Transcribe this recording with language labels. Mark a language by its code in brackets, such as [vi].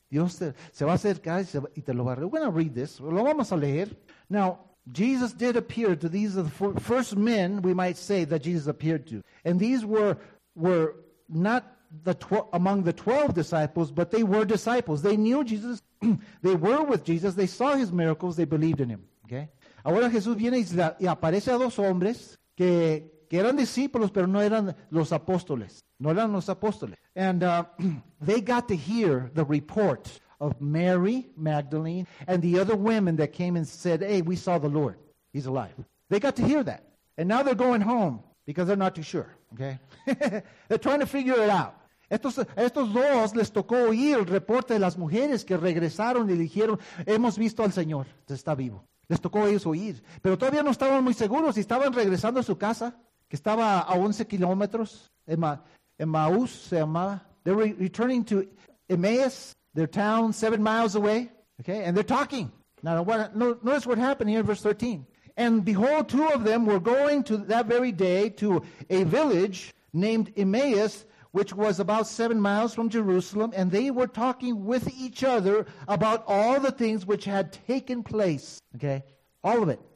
[es] Dios se va a acercar y te lo va a revelar. [en] We're going to read this. [es] Lo vamos a leer. [en] Now, Jesus did appear to these first men, we might say, that Jesus appeared to. And these were not among the 12 disciples, but they were disciples. They knew Jesus. They were with Jesus. They saw his miracles. They believed in him. Okay? [es] Ahora Jesús viene y aparece a dos hombres que eran discípulos, pero no eran los apóstoles. No eran los apóstoles. [en] And they got to hear the report of Mary Magdalene and the other women that came and said, hey, we saw the Lord. He's alive. They got to hear that. And now they're going home because they're not too sure. Okay? They're trying to figure it out. [es] Estos dos les tocó oír el reporte de las mujeres que regresaron y dijeron, hemos visto al Señor, está vivo. Les tocó a ellos oír. Pero todavía no estaban muy seguros y estaban regresando a su casa, que estaba a 11 kilómetros, Emmaus se llamaba. [en] They were returning to Emmaus, their town, 7 miles away. Okay, and they're talking. Now, notice what happened here in verse 13. And behold, two of them were going to that very day to a village named Emmaus, which was about 7 miles from Jerusalem, and they were talking with each other about all the things which had taken place. Okay? All of it.